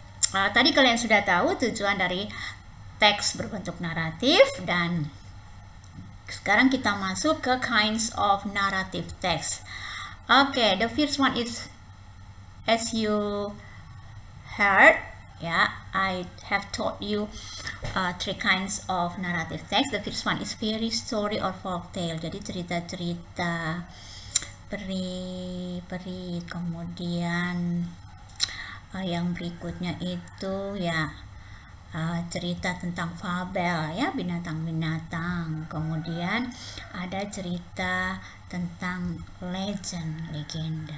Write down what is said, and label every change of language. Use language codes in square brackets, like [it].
[id] Tadi kalian sudah tahu tujuan dari teks berbentuk naratif, dan sekarang kita masuk ke [en] kinds of narrative text. Oke, okay, the first one is, as you heard, yeah, I have taught you three kinds of narrative text. The first one is fairy story or folk tale. [id] Jadi cerita-cerita peri-peri. Kemudian yang berikutnya itu ya cerita tentang fabel, ya, binatang-binatang. Kemudian ada cerita tentang legend, legenda.